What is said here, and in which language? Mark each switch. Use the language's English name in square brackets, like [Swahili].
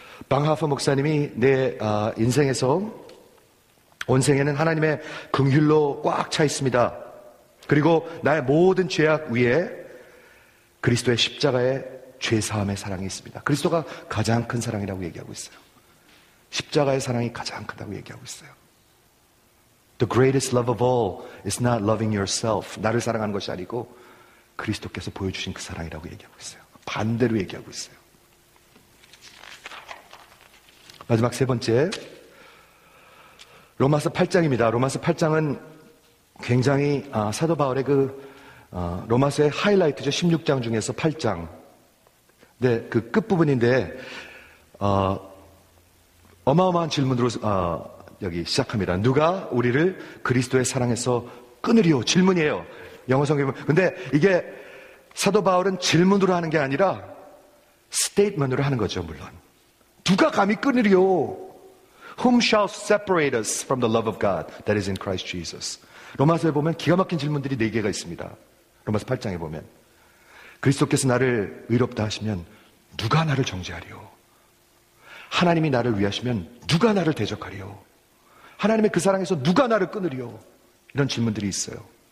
[Korean] 방하퍼 목사님이 내 인생에서 온생에는 하나님의 긍휼로 꽉 차 있습니다. 그리고 나의 모든 죄악 위에 그리스도의 십자가의 죄사함의 사랑이 있습니다. 그리스도가 가장 큰 사랑이라고 얘기하고 있어요. 십자가의 사랑이 가장 크다고 얘기하고 있어요. [English] The greatest love of all is not loving yourself. [Korean] 나를 사랑하는 것이 아니고 그리스도께서 보여주신 그 사랑이라고 얘기하고 있어요. 반대로 얘기하고 있어요. 마지막 세 번째, 로마서 8장입니다. 로마서 8장은 굉장히 사도 바울의 그 로마서의 하이라이트죠. 16장 중에서 8장. 네, 그 끝부분인데 어마어마한 질문으로 여기 시작합니다. 누가 우리를 그리스도의 사랑에서 끊으리요? 질문이에요. 영어 성경은. 근데 이게 사도 바울은 질문으로 하는 게 아니라 스테이트먼트로 하는 거죠, 물론. 누가 감히 끊으리요? [English] Whom shall separate us from the love of God that is in Christ Jesus? [Korean] 로마서에 보면 기가 막힌 질문들이 네 개가 있습니다. 로마서 8장에 보면 그리스도께서 나를 의롭다 하시면 누가 나를 정죄하리요? 하나님이 나를 위하시면 누가 나를 대적하리요? 하나님의 그 사랑에서 누가 나를 끊으리요? 이런 질문들이 있어요.